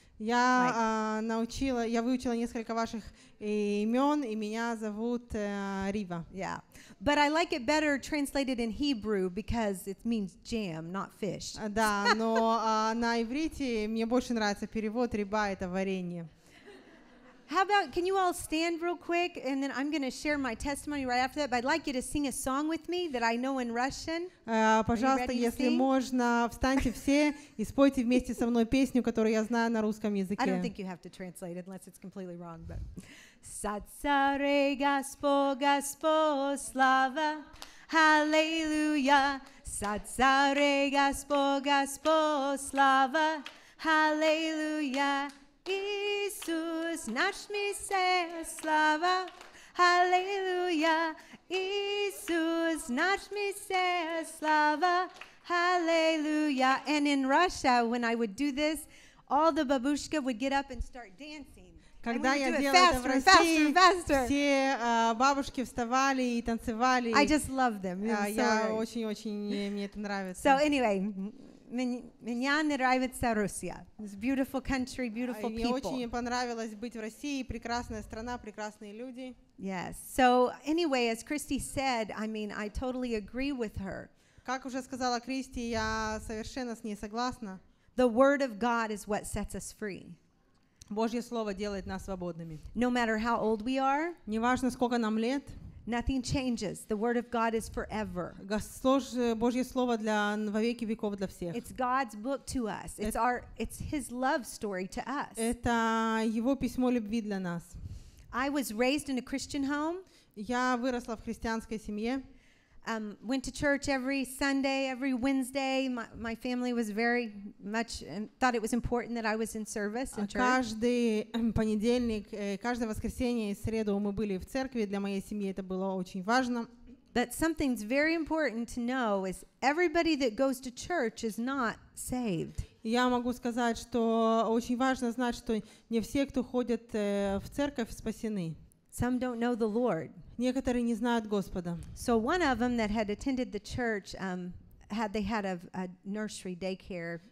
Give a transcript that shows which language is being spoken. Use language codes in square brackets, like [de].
[ru] Я научила, я выучила несколько ваших имен, и меня зовут Риба. [en] Yeah, but I like it better translated in Hebrew because it means jam, not fish. [ru] Да, но на иврите мне больше нравится перевод Риба, это варенье. [en] How about, can you all stand real quick, and then I'm going to share my testimony right after that, but I'd like you to sing a song with me that I know in Russian. [ru] Пожалуйста, если можно, встаньте все и спойте вместе со мной песню, которую я знаю на русском языке. [en] I don't think you have to translate it unless it's completely wrong, but... [ru] Сацаре Гаспо, Гаспо, слава, аллилуйя. Сацаре Гаспо, Гаспо, слава, аллилуйя. Иисус наш Мессия, слава, аллилуйя. Иисус наш Мессия, слава, аллилуйя. [en] And in Russia, when I would do this, all the бабушка would get up and start dancing. [ru] Когда я делала это в России, все бабушки вставали и танцевали. [en] I just love them. [ru] Я очень-очень мне это нравится. [en] So anyway. [ru] Меня нравится Россия. [en] It's a beautiful country, beautiful people. [ru] Мне очень понравилось быть в России. Прекрасная страна, прекрасные люди. [en] Yes. So anyway, as Christy said, I mean, I totally agree with her. [ru] Как уже сказала Кристи, я совершенно с ней согласна. [en] The word of God is what sets us free. [ru] Божье слово делает нас свободными. [en] No matter how old we are. [ru] Неважно сколько нам лет. [en] Nothing changes. The word of God is forever. [ru] Божье слово для вовеки веков для всех. [en] It's God's book to us. It's His love story to us. [ru] Это его письмо любви для нас. [en] I was raised in a Christian home. [ru] Я выросла в христианской семье. [en] Went to church every Sunday, every Wednesday. My family was very much thought it was important that I was in service in church. [ru] Каждый понедельник, каждое воскресенье и среду мы были в церкви. Для моей семьи это было очень важно. [en] But something's very important to know is everybody that goes to church is not saved. [ru] Я могу сказать, что очень важно знать, что не все, кто ходит в церковь, спасены. [en] Some don't know the Lord. [ru] Некоторые не знают Господа. [en] So one of them that had attended the church, they had a nursery daycare.